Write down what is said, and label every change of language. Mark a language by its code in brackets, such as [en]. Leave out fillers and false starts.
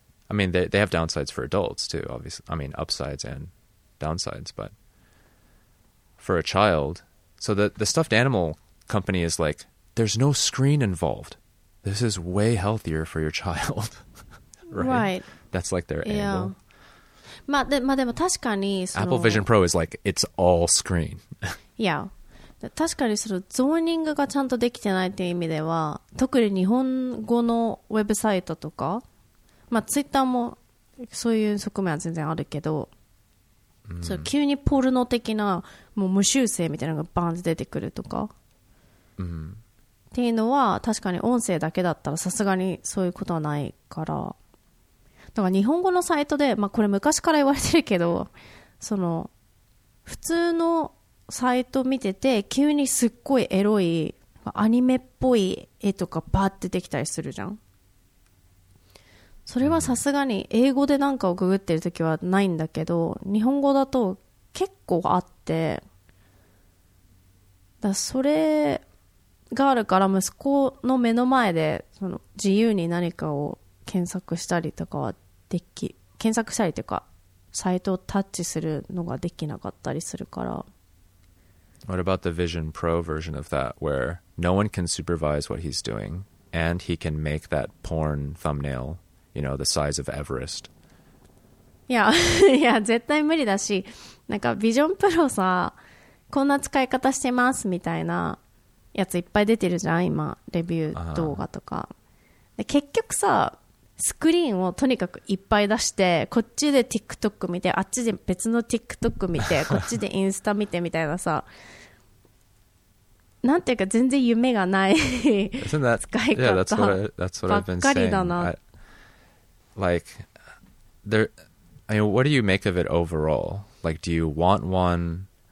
[en] I mean, they have downsides for adults too, obviously. I mean, upsides and downsides, but for a child, so the stuffed animal company is like, there's no screen involved. This is way healthier for your child. Right. That's like their angle. [ja] まあでも確かに [en] Apple Vision Pro is like, it's all screen. Yeah. [ja] 確かにそのゾーニングがちゃんとできてないという意味では、特に日本語のウェブサイトとか、まあツイッターもそういう側面は全然あるけど、そう急にポルノ的なもう無修正みたいなのがバーンって出てくるとか、っていうのは確かに音声だけだったらさすがにそういうことはないから、だから日本語のサイトで、まあこれ昔から言われてるけど、その普通のサイト見てて急にすっごいエロいアニメっぽい絵とかバーってできたりするじゃん。それはさすがに英語でなんかをググってるときはないんだけど、日本語だと結構あって、だからそれがあるから息子の目の前でその自由に何かを検索したりとかはでき、検索したりというかサイトをタッチするのができなかったりするから。 [en] What about the Vision Pro version of that, where no one can supervise what he's doing, and he can make that porn thumbnail, you know, the size of Everest? Yeah, yeah, [ja] 絶対無理だし、なんか Vision Pro さ、こんな使い方してますみたいなやついっぱい出てるじゃん、今、レビュー動画とか。で、結局さ、スクリーンをとにかくいっぱい出して、こっちで TikTok 見て、あっちで別の TikTok 見て、こっちでインスタ見てみたいなさ、なんていうか全然夢がない使い方ばっかりだな。 [en] That's what I've been saying. Like, there, I mean, what do you make of it overall? Like, do you want one?